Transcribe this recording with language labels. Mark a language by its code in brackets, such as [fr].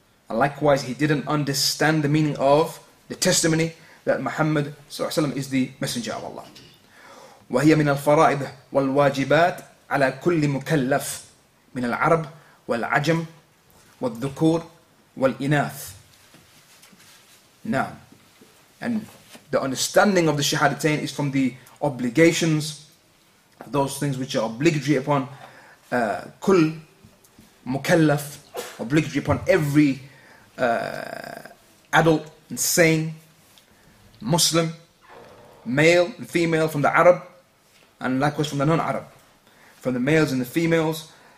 [en] And likewise he didn't understand the meaning of the testimony that Muhammad sallallahu alaihi wasallam is the messenger of Allah. [ar] وهي من الفرائض والواجبات على كل مكلف من العرب والعجم والذكور والإناث. نعم. [en] And the understanding of the shahadatain is from the obligations, those things which are obligatory upon [ar] كل مكلف, [en] obligatory upon every adult and sane Muslim, male and female, from the Arab, and likewise from the non-Arab, from the males and the females.